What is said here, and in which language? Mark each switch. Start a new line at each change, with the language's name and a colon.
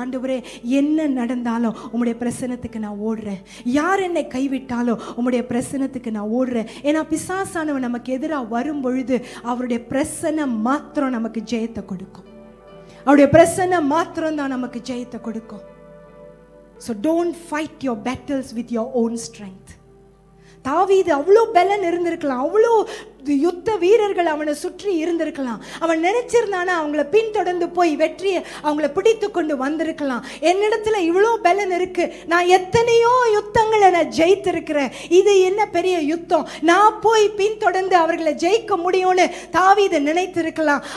Tamil: ஆண்டவரே, என்ன நடந்தாலும் உம்முடைய பிரசன்னத்துக்கு நான் ஓடுறேன். யார் என்னை கைவிட்டாலும் உம்முடைய பிரசன்னத்துக்கு நான் ஓடுறேன். ஏன்னா பிசாசானவன் நமக்கு எதிராக வரும் பொழுது அவருடைய பிரசன்னம் மாத்திரம் நமக்கு ஜெயத்தை கொடுக்கும். அவருடைய பிரசன்னம் மாத்திரம் தான் நமக்கு ஜெயத்தை கொடுக்கும்.
English: So don't fight your battles with your own strength.
Tamil: தாவீது அவ்வளோ பலன் இருந்திருக்கலாம், அவ்வளோ யுத்த வீரர்கள் அவனை சுற்றி இருந்திருக்கலாம், அவன் நினைச்சிருந்தானா அவங்கள பின்தொடர்ந்து போய் வெற்றியை அவங்கள பிடித்து கொண்டு வந்திருக்கலாம். என்னிடத்துல இவ்வளோ பலன் இருக்கு, நான் எத்தனையோ யுத்தங்களை நான் ஜெயித்திருக்கிறேன், இது என்ன பெரிய யுத்தம், நான் போய் பின்தொடர்ந்து அவர்களை ஜெயிக்க முடியும்னு தாவீது நினைத்திருக்கலாம்.